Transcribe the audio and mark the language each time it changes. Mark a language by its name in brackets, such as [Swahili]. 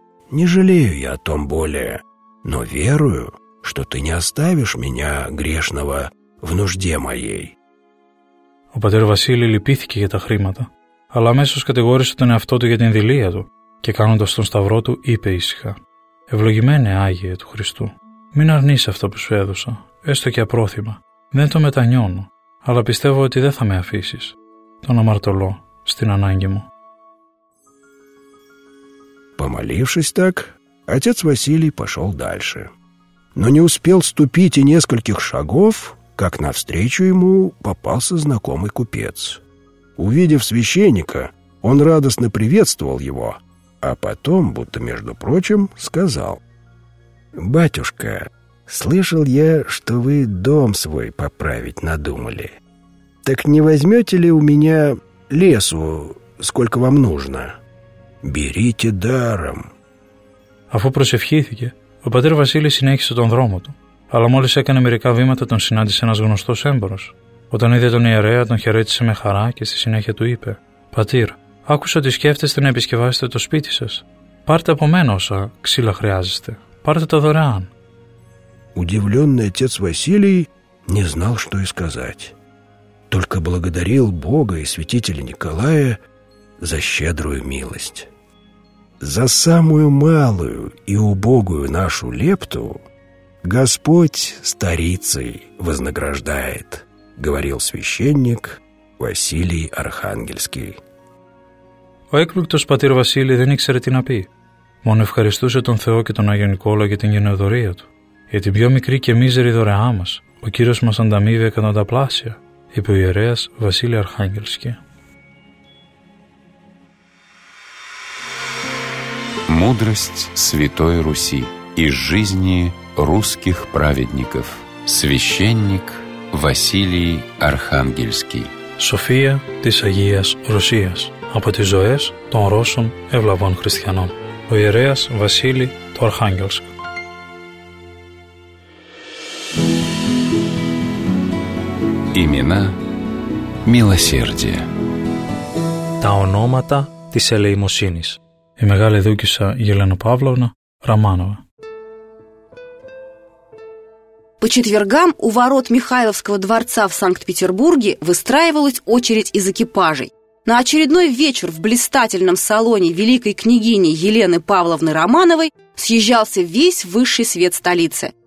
[Russian] Не жалею я о том более, но верую, что ты не оставишь меня, грешного, в нужде моей». [Greek] Ο πατήρ Βασίλη λυπήθηκε για τα χρήματα, αλλά αμέσως κατηγόρησε τον εαυτό του για την δειλία του και κάνοντας τον σταυρό του είπε ήσυχα: «Ευλογημένε Άγιε του Χριστού, μην αρνείς αυτό που σου έδωσα, έστω και απρόθυμα. Δεν το μετανιώνω, αλλά πιστεύω ότι δεν θα με αφήσεις τον αμαρτωλό στην ανάγκη μου». [Russian] Помолившись так, отец Василий пошел дальше. Но не успел ступить и нескольких шагов, как навстречу ему попался знакомый купец. Увидев священника, он радостно приветствовал его, а потом, будто между прочим, сказал: «Батюшка, слышал я, что вы дом свой поправить надумали. Так не возьмете ли у меня лесу, сколько вам нужно? Берите даром». [Greek] Αφού προσευχήθηκε, ο πατήρ Βασίλη συνέχισε τον δρόμο του. Αλλά μόλις έκανε μερικά βήματα, τον συνάντησε ένας γνωστός έμπορος. Όταν είδε τον ιερέα, τον χαιρέτησε με χαρά και στη συνέχεια του είπε: «Πατήρ, άκουσα ότι σκέφτεστε να επισκευάσετε το σπίτι σας. Πάρτε από μένα όσα ξύλα χρειάζεστε. Πάρτε τα δωρεάν». [Russian] Удивленный отец Василий не знал, что и сказать. Только благодарил Бога и святителя Николая за щедрую милость. За самую малую и убогую нашу лепту Господь старицей вознаграждает, говорил священник Василий Архангельский. [Greek] Ο έκπληκτος πατήρ Βασίλη δεν ήξερε τι να πει. Μόνο ευχαριστούσε τον Θεό και τον Άγιο Νικόλα για την γενναιοδορία του. «Για την πιο μικρή και μίζερη δωρεά μας, ο Κύριος μας ανταμείβει εκατονταπλάσια», είπε ο ιερέας Βασίλη Αρχάγγελσκι. [Russian] Мудрость Святой Руси из жизни русских праведников. Священник Василий Архангельский. [Greek] София της Αγίας Ρωσίας. Από τις ζωές των Ρώσων ευλαβών χριστιανών. Ο ιερέας Βασίλη του Αρχάγγελσκου. [Russian] Имена милосердия. [Greek] Τα ονόματα της ελεημοσύνης. Η μεγάλη δούκισσα Γελένα Παύλωνα Ραμάνοβα. [Russian] По четвергам у ворот Михайловского дворца в Санкт-Петербурге выстраивалась очередь из экипажей. На очередной вечер в блистательном салоне великой княгини Елены Павловны Романовой съезжался весь высший свет столицы.